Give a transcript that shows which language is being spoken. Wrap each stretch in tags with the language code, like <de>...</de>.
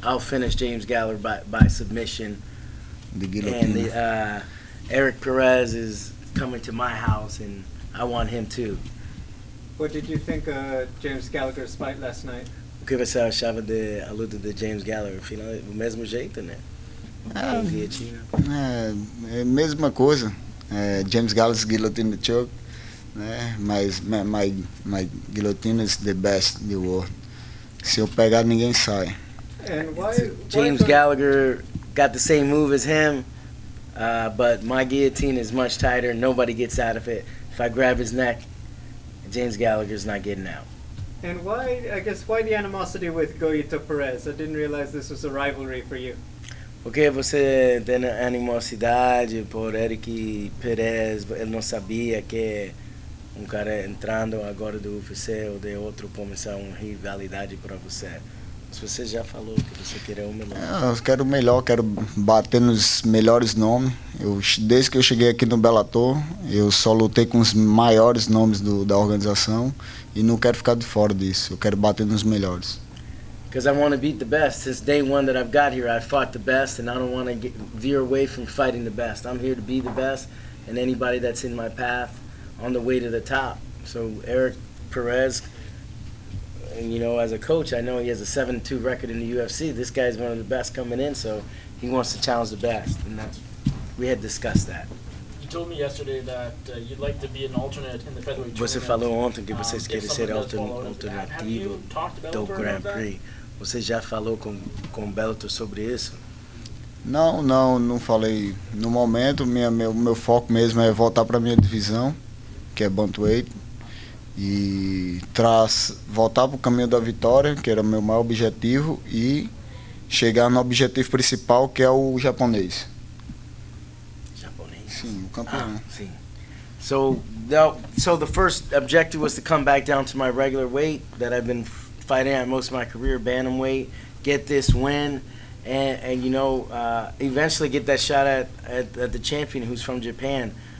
<en>I'll finish James Gallagher by submission. The guillotine. And Eric Perez is coming to my house, and I want him too. What did you think of James Gallagher's fight last night?</en> <pt>O que você achava de a luta de James Gallagher? Final, do mesmo jeito, né? É a mesma coisa.</pt> <en>James Gallagher's guillotine choke,</en> <pt>né?</pt> <en>Mas my guillotine is the best in the world.</en> <pt>Se eu pegar, ninguém sai.</pt> <en>And why James Gallagher got the same move as him, but my guillotine is much tighter. Nobody gets out of it. If I grab his neck, James Gallagher's not getting out. And why the animosity with Goyito Perez? I didn't realize this was a rivalry for you.</en> <pt>Porque você tem animosidade por Eric Perez. Ele não sabia que cara entrando agora do UFC ou de outro começar uma rivalidade para você. Mas você já falou que você quer o melhor. Eu quero o melhor, quero bater nos melhores nomes. Desde que eu cheguei aqui no Bellator, eu só lutei com os maiores nomes da organização e não quero ficar de fora disso. Eu quero bater nos melhores.</pt> <en>Because I want to beat the best. Since day one that I've got here, I fought the best and I don't want to veer away from fighting the best. I'm here to be the best and anybody that's in my path on the way to the top. So Eric Perez, and you know, as a coach, I know he has a 7-2 record in the UFC. This guy's one of the best coming in, so he wants to challenge the best. And we had discussed that. You told me yesterday that you'd like to be an alternate in the featherweight tournament.</en> <pt>Você falou ontem que vocês querem ser alternativo do Grand Prix. Você já falou com o Bellator sobre isso? Não falei. No momento, meu foco mesmo é voltar para minha divisão, que é Bantamweight, e voltar para o caminho da vitória, que era o meu maior objetivo, e chegar no objetivo principal, que é o japonês. Japonês? Sim, o campeão. Ah, sim.</pt> <en>So the first objective was to come back down to my regular weight that I've been fighting at most of my career, Bantamweight, get this win, and you know, eventually get that shot at the champion who's from Japan.</en>